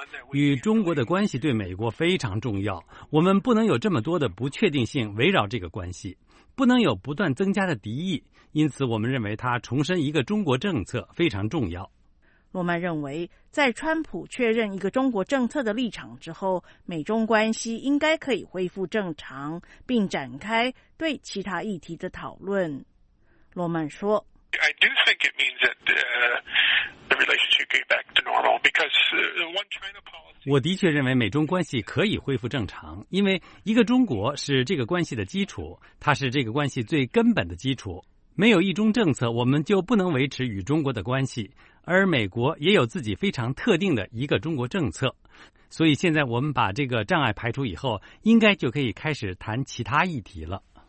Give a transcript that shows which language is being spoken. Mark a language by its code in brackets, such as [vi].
[zh] 与中国的关系对美国非常重要，我们不能有这么多的不确定性围绕这个关系，不能有不断增加的敌意，因此我们认为他重申一个中国政策非常重要。洛曼认为，在川普确认一个中国政策的立场之后，美中关系应该可以恢复正常，并展开对其他议题的讨论。洛曼说， [en] I do think it means that the relationship get back to normal because the one China policy... [zh] 我的确认为美中关系可以恢复正常，因为一个中国是这个关系的基础，它是这个关系最根本的基础。没有一中政策，我们就不能维持与中国的关系，而美国也有自己非常特定的一个中国政策。所以现在我们把这个障碍排除以后，应该就可以开始谈其他议题了。